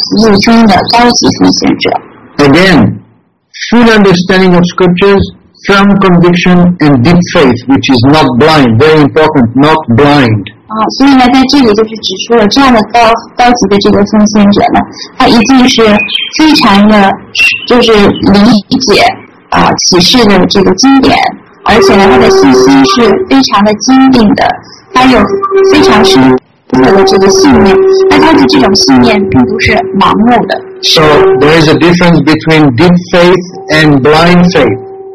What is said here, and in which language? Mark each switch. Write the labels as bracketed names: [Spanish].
[Chinese] 那前面的马哈帕布这个就是又说了一个精于逻辑的人，一个能够暗熟并理解其实经典的人，他一个总是充满着经历的信念的人，而他的这个深刻的信念并不是盲目的，这样的人就被称为是奉爱服务中的高级奉献者。 [English] Again, full understanding of scriptures, firm conviction and deep faith, which is not blind, very important, not blind. [Chinese] 所以呢，在这里就是指出了这样的高级的这个奉献者呢，他一定是非常的，就是理解启示的这个经典，而且呢，他的信心是非常的坚定的，他有非常深刻的这个信念，但他的这种信念并不是盲目的。 [English] So there is a difference between deep faith and blind faith.